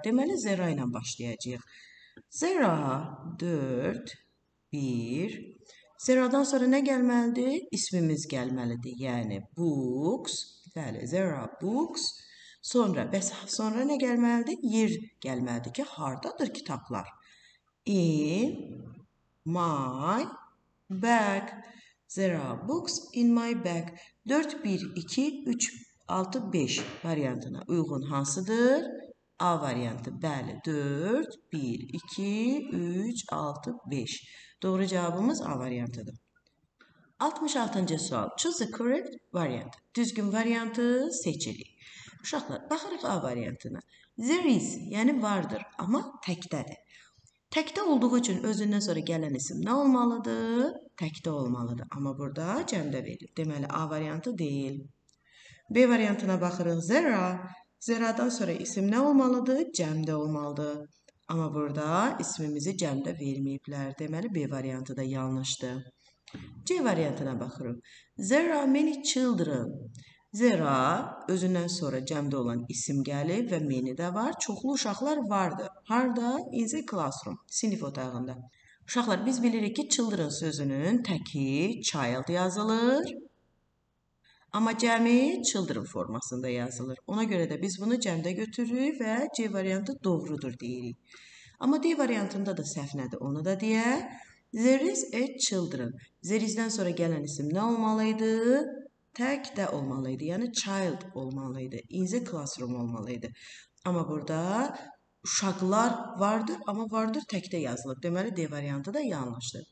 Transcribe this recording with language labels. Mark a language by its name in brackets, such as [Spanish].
[Azerbaijani] Deməli, Zera ilə başlayacağıq. Zera, 4, 1. Zeradan sonra nə gəlməlidir? İsmimiz gəlməlidir. Yəni, books. Bəli, Zera, books. Sonra, bəs sonra nə gəlməlidir? Yer gəlməlidir ki, hardadır kitablar? [English] In my bag. There are books in my bag. [Azerbaijani] 4, 1, 2, 3, 6, 5 variantına uyğun hansıdır? A variantı. Bəli, 4, 1, 2, 3, 6, 5. Doğru cavabımız A variantıdır. 66-cı sual. [English] Choose the correct variant. [Azerbaijani] Düzgün variantı seçilir. Uşaqlar, baxırıq A variantına. [English] There is, [Azerbaijani] yəni vardır, amma təkdədir. Təkdə olduğu üçün özündən sonra gələn isim nə olmalıdır? Təkdə olmalıdır. Amma burada cəmdə verilir. Deməli, A variantı deyil. B variantına baxırıq. Zera. Zeradan sonra isim nə olmalıdır? Cəmdə olmalıdır. Amma burada ismimizi cəmdə verməyiblər. Deməli, B variantı da yanlışdır. C variantına baxırıq. [English] Zera many children. [Azerbaijani] Zera özündən sonra cəmdə olan isim gəlib və many də var. Çoxlu uşaqlar vardır. Harda? [English] In the classroom. [Azerbaijani] Sinif otağında. Uşaqlar, biz bilirik ki, children sözünün təki child yazılır, amma cəmi children formasında yazılır. Ona görə də biz bunu cəmdə götürürük və C variantı doğrudur deyirik. Amma D variantında da səhv nədir, onu da deyə. [English] There is a children. There is- [Azerbaijani] dən sonra gələn isim nə olmalıydı? Tək də olmalıydı, yəni child olmalıydı, [English] in the classroom [Azerbaijani] olmalıydı. Amma burada uşaqlar vardır, amma vardır təkdə yazılıb. Deməli, D variantı da yanlışdır.